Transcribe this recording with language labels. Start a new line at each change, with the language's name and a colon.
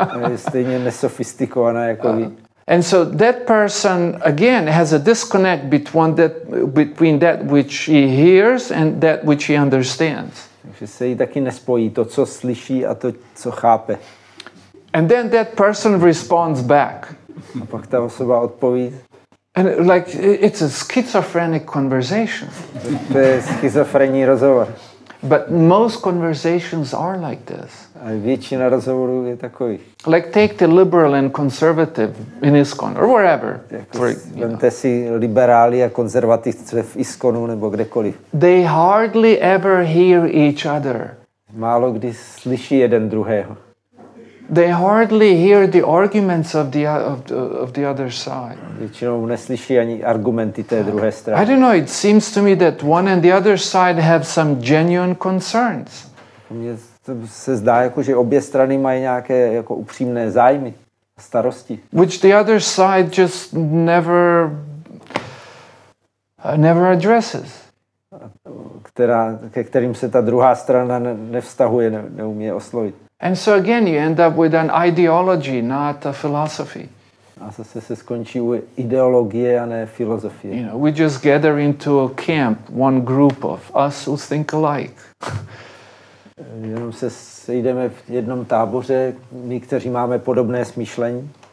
Czech: Je stejně nesofistikovaná jako vy.
English: And so that person again has a disconnect between that which he hears and that which he understands.
Czech: Takže se jí taky nespojí to, co slyší a to, co chápe.
English: And then that person responds back.
Czech: A pak ta osoba odpoví.
English: And like it's a schizophrenic conversation.
Czech: To je schizofrenní rozhovor.
English: But most conversations are like this.
Czech: A většina rozhovorů je takový.
English: Like take the liberal and conservative in ISKCON or wherever.
Czech: Vemte si liberáli a konzervativce v ISKCONu nebo kdekoliv.
English: They hardly ever hear each other.
Czech: Málo kdy slyší jeden druhého.
English: They hardly hear the arguments of the other side.
Czech: Většinou neslyší ani argumenty té druhé strany.
English: I don't know, it seems to me that one and the other side have some genuine concerns.
Czech: Mně se zdá, jako, že obě strany mají nějaké jako upřímné zájmy, starosti.
English: Which the other side just never addresses.
Czech: Ke kterým se ta druhá strana nevztahuje, neumí oslovit.
English: And so again, you end up with an ideology, not a philosophy.
Czech: A zase se skončí u ideologie a ne filozofie.
English: You know, we just gather into a camp, one group of us who think alike.
Czech: Jenom se sejdeme v jednom táboře, my, kteří máme podobné smýšlení.